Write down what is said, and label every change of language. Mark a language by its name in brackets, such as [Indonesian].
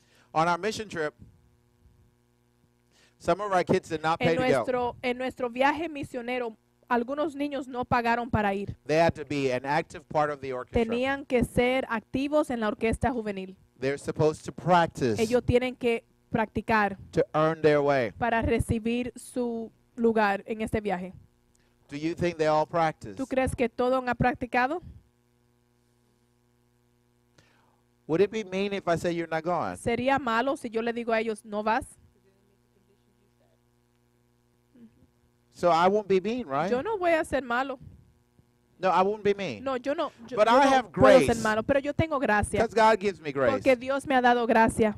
[English] On our mission trip, some of our kids did not pay [Spanish] nuestro, [English] to go. [Spanish] En nuestro viaje misionero, algunos niños no pagaron para ir. [English] They had to be an active part of the orchestra. [Spanish] Tenían que ser activos en la orquesta juvenil. [English] They're supposed to practice. [Spanish] Ellos tienen que practicar. [English] To earn their way. [Spanish] Para recibir su lugar en este viaje. [English] Do you think they all practice? [Spanish] ¿Tú crees que todos han practicado? [English] Would it be mean if I say you're not going? [Spanish] ¿Sería malo si yo le digo a ellos no vas? [English] So I won't be mean, right? [Spanish] Yo no voy a ser malo. [English] No, I won't be mean. [Spanish] No, yo no. Yo, [English] but [Spanish] yo [English] I [Spanish] no [English] have grace. [Spanish] Puedo ser malo, pero yo tengo gracia. [English] Because God gives me grace. [Spanish] Porque Dios me ha dado gracia.